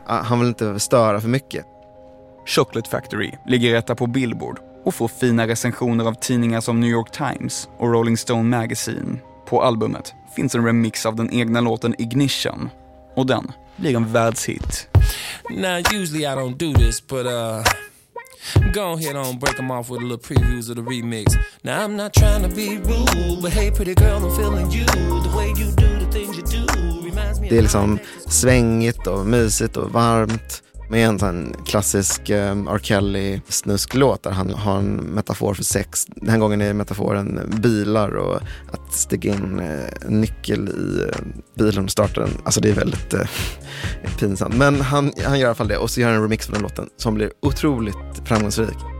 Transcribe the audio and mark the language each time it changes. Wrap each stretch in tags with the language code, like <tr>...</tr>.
<sv>Han vill inte störa för mycket. Chocolate Factory ligger etta på Billboard och får fina recensioner av tidningar som New York Times och Rolling Stone Magazine. På albumet finns en remix av den egna låten Ignition, och den blir en världshit.</sv> <en>Now usually I don't do this, but go ahead on, break them off with a little previews of the remix. Now I'm not trying to be rude, but hey pretty girl, I'm feeling you. The way you do the things you do reminds me.</en> <sv>Det är liksom svängigt och mysigt och varmt. Med en sån klassisk R. Kelly snusklåt där han har en metafor för sex. Den här gången är metaforen bilar och att stiga in nyckel i bilen och starta den. Alltså det är väldigt pinsamt. Men han gör i alla fall det, och så gör han en remix för den låten som blir otroligt framgångsrik.</sv>